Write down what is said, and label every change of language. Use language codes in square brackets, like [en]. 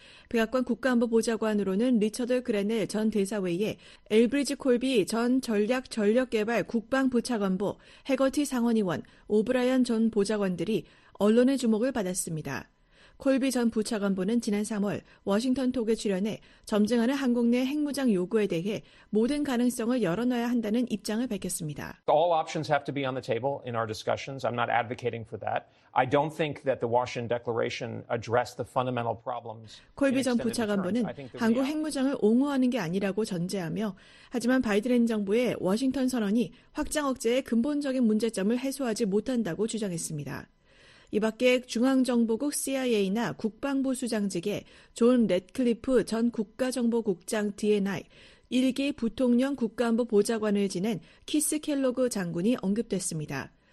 [ko] 백악관 국가안보보좌관으로는 리처드 그레네 전 대사 외에 엘브리지 콜비 전 전략전력개발 국방부차관보, 해거티 상원의원, 오브라이언 전 보좌관들이 언론의 주목을 받았습니다. 콜비 전 부차관보는 지난 3월 워싱턴톡에 출연해 점증하는 한국 내 핵무장 요구에 대해 모든 가능성을 열어놔야 한다는 입장을 밝혔습니다. [en] All options have to be on the table in our discussions. I'm not advocating for that. I don't think that the Washington Declaration addressed the fundamental problems. [ko] 콜비 전 부차관보는 한국 핵무장을 옹호하는 게 아니라고 전제하며 하지만 바이든 행정부의 워싱턴 선언이 확장 억제의 근본적인 문제점을 해소하지 못한다고 주장했습니다. 이 밖에 중앙정보국 CIA나 국방부 수장직에 존 랫클리프 전 국가정보국장 DNI, 1기 부통령 국가안보 보좌관을 지낸 키스 켈로그 장군이 언급됐습니다.